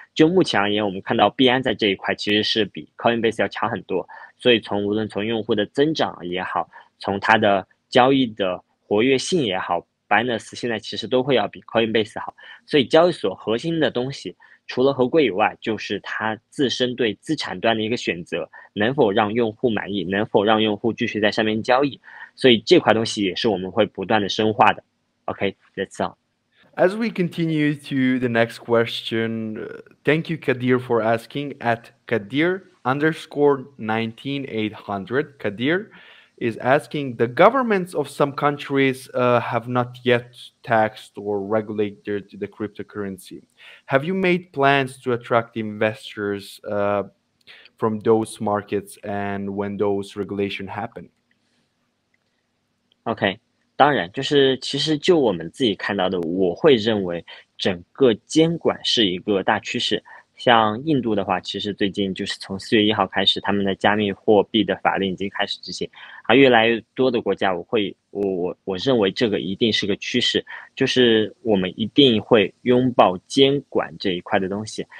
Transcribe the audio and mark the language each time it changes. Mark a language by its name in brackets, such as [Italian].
[Chinese] 就目前而言，我们看到币安在这一块其实是比 Coinbase 要强很多，所以从无论从用户的增长也好，从它的交易的活跃性也好， Binance 现在其实都会要比 Coinbase 好。所以交易所核心的东西除了合规以外，就是它自身对资产端的一个选择，能否让用户满意，能否让用户继续在上面交易。所以这块东西也是我们会不断的深化的。 [English] OK, that's all. As we continue to the next question, thank you Kadir for asking at Kadir_19800. Kadir is asking, the governments of some countries have not yet taxed or regulated the cryptocurrency. Have you made plans to attract investors from those markets and when those regulations happen? [Chinese] Okay, 当然，就是其实就我们自己看到的，我会认为整个监管是一个大趋势。像印度的话，其实最近就是从4月1号开始，他们的加密货币的法令已经开始执行，而越来越多的国家，我认为这个一定是个趋势，就是我们一定会拥抱监管这一块的东西。